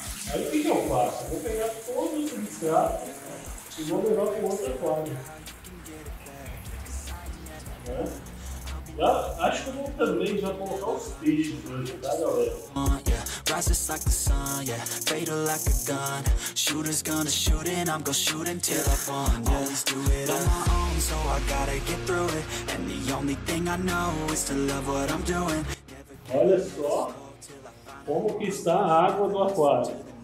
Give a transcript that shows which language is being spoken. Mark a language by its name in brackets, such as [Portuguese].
[Portuguese] Aí o que eu faço? Vou pegar todo o substrato e vou levar para outra forma. Acho que eu vou também já colocar os peixes hoje, tá, galera? [English] Rises like the sun, yeah, fatal like a gun. Shooters gonna shoot and I'm gonna shoot until I fall. Always do it on my own, so I gotta get through it. And the only thing I know is to love what I'm doing. [Portuguese] Olha só como que está a água do aquário.